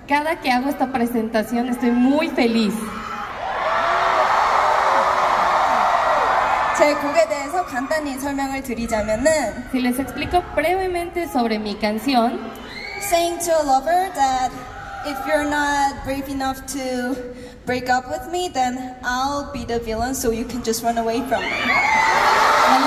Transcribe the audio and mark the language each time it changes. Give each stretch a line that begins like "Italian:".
Spanish: Cada que hago esta presentación estoy muy feliz.
Korean: 제 곡에 대해서 간단히 설명을 드리자면은
Spanish: Si les explico brevemente sobre mi canción
English: Saying to a lover that if you're not brave enough to break up with me then I'll be the villain so you can just run away from me.